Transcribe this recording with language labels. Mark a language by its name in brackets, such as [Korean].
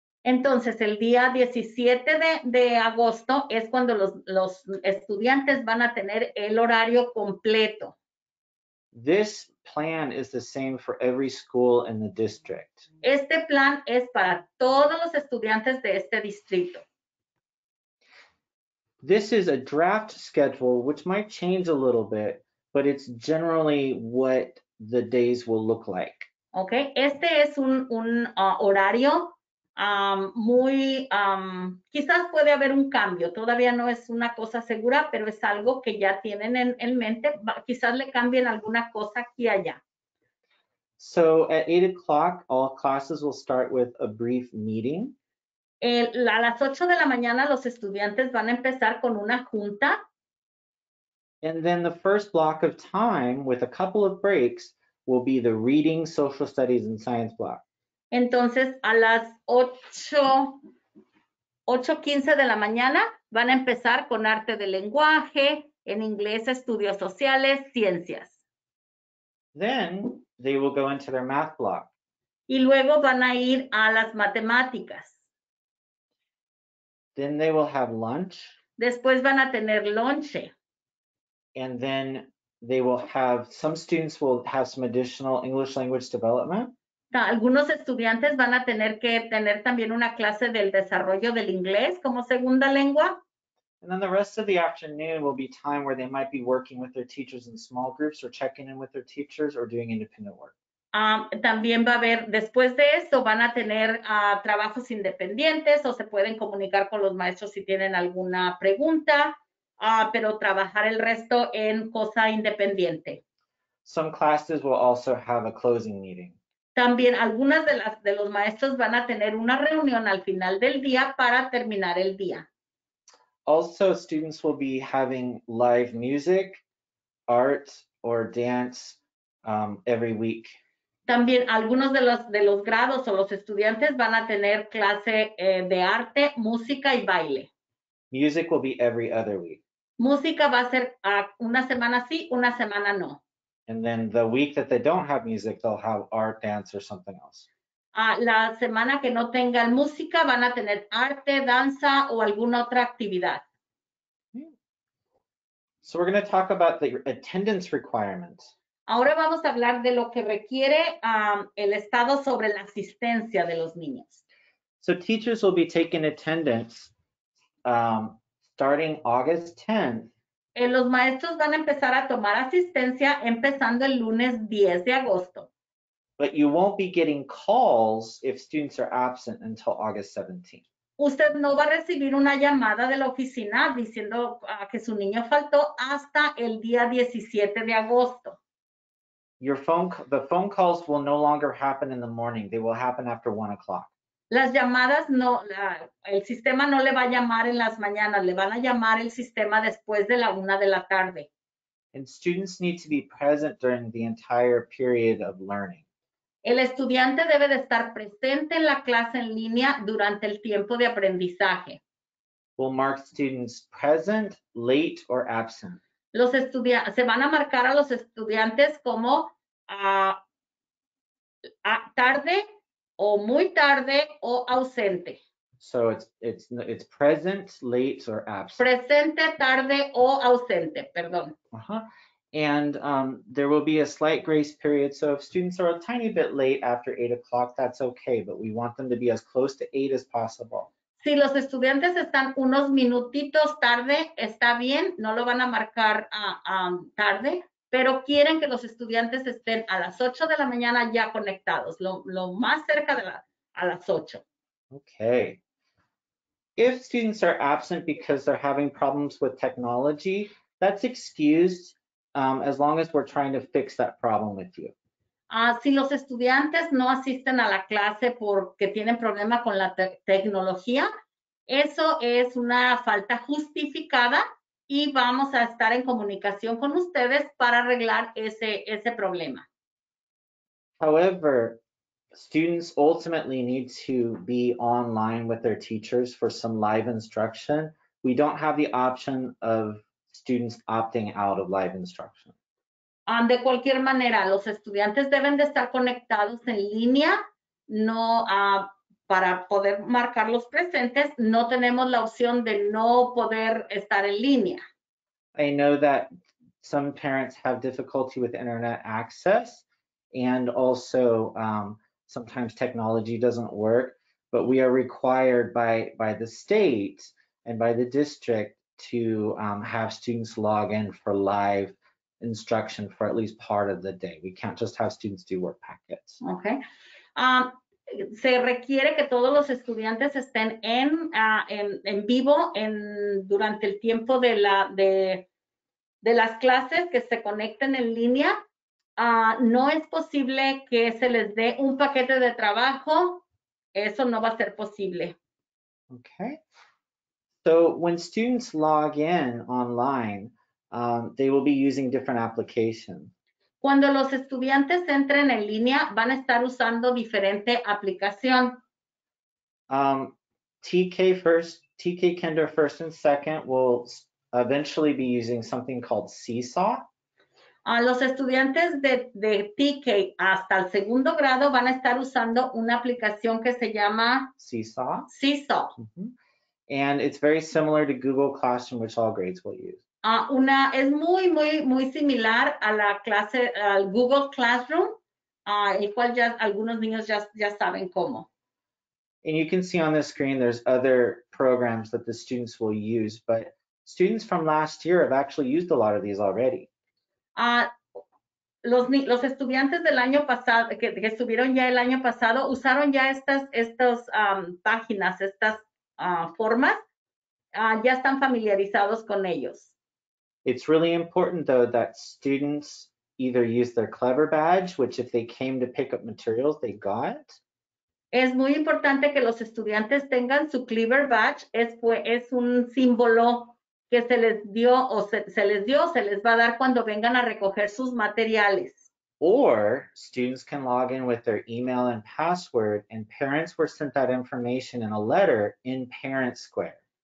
[Spanish] Entonces, el día 17 de agosto es cuando los estudiantes van a tener el horario completo. [English] This plan is the same for every school in the district. [Spanish] Este plan es para todos los estudiantes de este distrito. [English] This is a draft schedule, which might change a little bit, but it's generally what the days will look like. [Spanish] Okay, este es un horario. Quizás puede haber un cambio, todavía no es una cosa segura, pero es algo que ya tienen en mente, quizás le cambien alguna cosa aquí y allá. [English] So at 8 o'clock, all classes will start with a brief meeting. [Spanish] A las 8 de la mañana los estudiantes van a empezar con una junta. [English] And then the first block of time with a couple of breaks will be the reading, social studies, and science block. [Spanish] Entonces, a las 8:15 de la mañana van a empezar con arte del lenguaje, en inglés, estudios sociales, ciencias. [English] Then they will go into their math block. [Spanish] Y luego van a ir a las matemáticas. [English] Then they will have lunch. [Spanish] Después van a tener lonche. [English] And then they will have, some students will have some additional English language development. [Spanish] Algunos estudiantes van a tener que tener también una clase del desarrollo del inglés como segunda lengua. [English] And then the rest of the afternoon will be time where they might be working with their teachers in small groups or checking in with their teachers or doing independent work. [Spanish] También va a haber, después de eso, van a tener trabajos independientes o se pueden comunicar con los maestros si tienen alguna pregunta, pero trabajar el resto en cosa independiente. [English] Some classes will also have a closing meeting. [Spanish] También algunas de los maestros van a tener una reunión al final del día para terminar el día. [English] Also, students will be having live music, art, or dance every week. [Spanish] También algunos de los grados o los estudiantes van a tener clase de arte, música y baile. [English] Music will be every other week. [Spanish] Música va a ser una semana sí, una semana no. [English] And then the week that they don't have music, they'll have art, dance, or something else. [Spanish] La semana que no tengan música, van a tener arte, danza, o alguna otra actividad. [English] So we're going to talk about the attendance requirements. [Spanish] Ahora vamos a hablar de lo que requiere el estado sobre la asistencia de los niños. [English] So teachers will be taking attendance starting August 10th. [Spanish] Los maestros van a empezar a tomar asistencia empezando el lunes 10 de agosto. [English] But you won't be getting calls if students are absent until August 17th. [Spanish] Usted no va a recibir una llamada de la oficina diciendo que su niño faltó hasta el día 17 de agosto. [English] The phone calls will no longer happen in the morning. They will happen after 1 o'clock. [Spanish] Las llamadas no, el sistema no le va a llamar en las mañanas, le van a llamar el sistema después de la 1 de la tarde. [English] And students need to be present during the entire period of learning. [Spanish] El estudiante debe de estar presente en la clase en línea durante el tiempo de aprendizaje. [English] We'll mark students present, late, or absent. [Spanish] Se van a marcar a los estudiantes como tarde, o muy tarde o ausente. [English] So it's present, late, or absent. [Spanish] Presente, tarde o ausente, perdón. [English] Uh-huh. And there will be a slight grace period. So if students are a tiny bit late after 8 o'clock, that's okay. But we want them to be as close to 8 as possible. [Spanish] Si los estudiantes están unos minutitos tarde, está bien. No lo van a marcar tarde. Pero quieren que los estudiantes estén a las 8 de la mañana ya conectados, lo más cerca de las 8. Okay. [English] If students are absent because they're having problems with technology, that's excused as long as we're trying to fix that problem with you. [Spanish] Si los estudiantes no asisten a la clase porque tienen problema con la tecnología, Eso es una falta justificada y vamos a estar en comunicación con ustedes para arreglar ese problema. [English] However, students ultimately need to be online with their teachers for some live instruction. We don't have the option of students opting out of live instruction. [Spanish] De cualquier manera, los estudiantes deben de estar conectados en línea. No, para poder marcar los presentes, no tenemos la opción de no poder estar en línea. [English] I know that some parents have difficulty with internet access, and also sometimes technology doesn't work, but we are required by the state and by the district to have students log in for live instruction for at least part of the day. We can't just have students do work packets. Okay. [Spanish] Se requiere que todos los estudiantes estén en vivo en durante el tiempo de la de las clases, que se conecten en línea. No es posible que se les dé un paquete de trabajo. Eso no va a ser posible. Okay. [English] So when students log in online, they will be using different applications. [Spanish] Cuando los estudiantes entren en línea, van a estar usando diferente aplicación. [English] TK Kinder First and Second will eventually be using something called Seesaw. [Spanish] Los estudiantes de TK hasta el segundo grado van a estar usando una aplicación que se llama [English] Seesaw. Seesaw. Mm-hmm. And it's very similar to Google Classroom, which all grades will use. [Spanish] Es muy, muy, muy similar a la clase, al Google Classroom, el cual ya algunos niños ya saben cómo. [English] And you can see on the screen, there's other programs that the students will use, but students from last year have actually used a lot of these already. [Spanish] Los estudiantes del año pasado, que estuvieron ya el año pasado, usaron ya estas páginas, estas formas, ya están familiarizados con ellos. [English] It's really important, though, that students either use their Clever badge, which if they came to pick up materials, they got. [Spanish] Es muy importante que los estudiantes tengan su Clever badge. Es un símbolo que se les dio o se les dio, se les va a dar cuando vengan a recoger sus materiales. [English] Or students can log in with their email and password, and parents were sent that information in a letter in Parent Square.